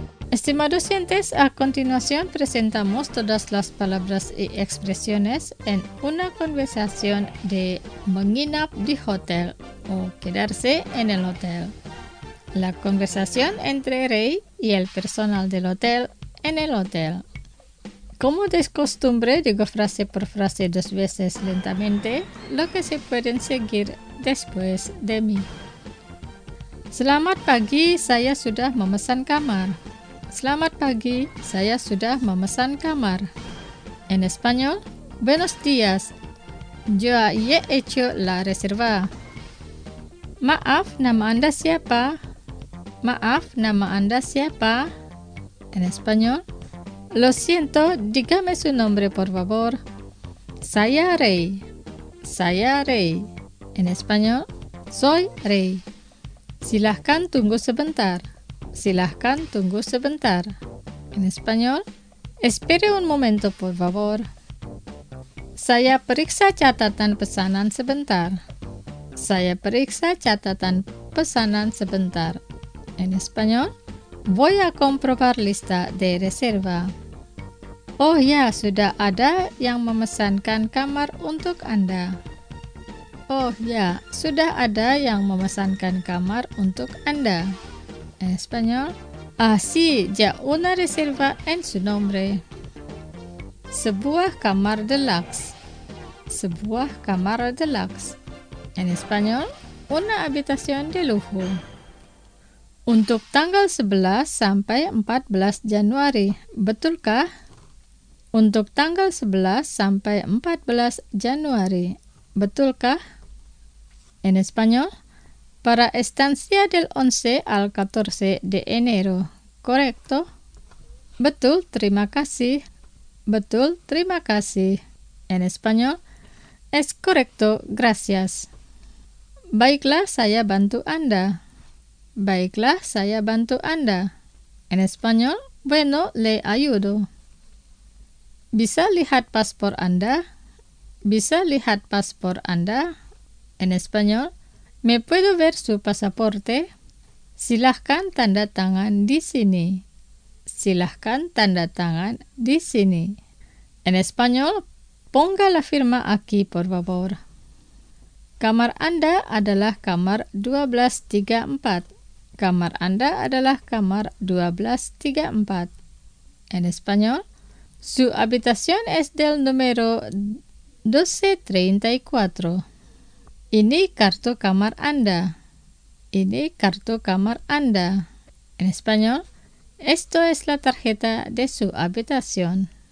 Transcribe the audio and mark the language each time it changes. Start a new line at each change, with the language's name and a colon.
Spanish: Estimados oyentes, a continuación presentamos todas las palabras y expresiones en una conversación de
Indonesian: menginap di hotel
Spanish: o quedarse en el hotel. La conversación entre Rey y el personal del hotel en el hotel. Como de costumbre, digo frase por frase dos veces lentamente, lo que se pueden seguir después de mí.
Indonesian: Selamat pagi, saya sudah memesan kamar. Selamat pagi, saya sudah memesan kamar.
Spanish: En español, buenos días. Yo ya he hecho la reserva.
Indonesian: Maaf, nama Anda siapa? Maaf, nama Anda siapa?
Spanish: En español, lo siento, dígame su nombre, por favor.
Indonesian: Saya Rey. Saya Rey.
Spanish: En español, soy Rey.
Indonesian: Silahkan tunggu sebentar. Silahkan tunggu sebentar.
Spanish: En español, espere un momento, por favor.
Indonesian: Saya periksa catatan pesanan sebentar. Saya periksa catatan pesanan sebentar.
Spanish: En español, voy a comprobar lista de reserva.
Indonesian: Oh ya, sudah ada yang memesankan kamar untuk Anda. Oh ya, sudah ada yang memesankan kamar untuk Anda.
Spanish: En español, ah sí, ya una reserva en su nombre.
Indonesian: Sebuah kamar deluxe. Sebuah kamar deluxe.
Spanish: En español, una habitación de lujo.
Indonesian: Untuk tanggal 11 sampai 14 Januari, betulkah? Untuk tanggal 11 sampai 14 Januari, betulkah?
Spanish: En español, para estancia del 11 al 14 de enero, correcto?
Indonesian: Betul, terima kasih. Betul, terima kasih.
Spanish: En español, es correcto, gracias.
Indonesian: Baiklah, saya bantu Anda. Baiklah, saya bantu Anda.
Spanish: En español, bueno, le ayudo.
Indonesian: Bisa lihat paspor Anda? Bisa lihat paspor Anda?
Spanish: En español, ¿me puedo ver su pasaporte?
Indonesian: Silahkan tanda tangan di sini. Silahkan tanda tangan di sini.
Spanish: En español, ponga la firma aquí, por favor.
Indonesian: Kamar Anda adalah kamar 1234. Kamar Anda adalah kamar 1234.
Spanish: En español, su habitación es del número 1234.
Indonesian: Ini kartu kamar Anda. Ini kartu kamar Anda.
Spanish: En español, esto es la tarjeta de su habitación.